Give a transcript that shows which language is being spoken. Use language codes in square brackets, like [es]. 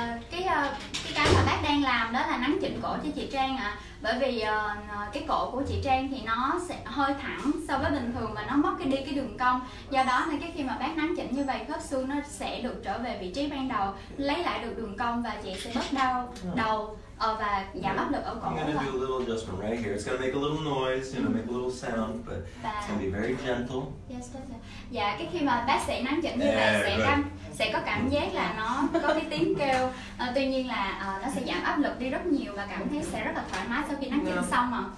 [vi] Cái mà bác đang làm đó là nắn chỉnh cổ cho chị Trang ạ. Bởi vì cái cổ của chị Trang thì nó sẽ hơi thẳng so với bình thường mà nó mất đi cái đường cong. Do đó nên cái khi mà bác nắn chỉnh như vậy, khớp xương nó sẽ được trở về vị trí ban đầu, lấy lại được đường cong và chị sẽ bớt đau đầu và giảm áp lực ở cổ. [en] I'm going to do a little adjustment right here. It's going to make a little noise, you know, make a little sound, but it's going to be very gentle. Yes, doctor. [vi] Dạ, cái khi mà bác sĩ nắn chỉnh như vậy sẽ có cảm giác là nó có cái tiếng kêu. Tuy nhiên là nó sẽ giảm áp lực đi rất nhiều và cảm thấy sẽ rất là thoải mái sau khi nắn chỉnh xong ạ.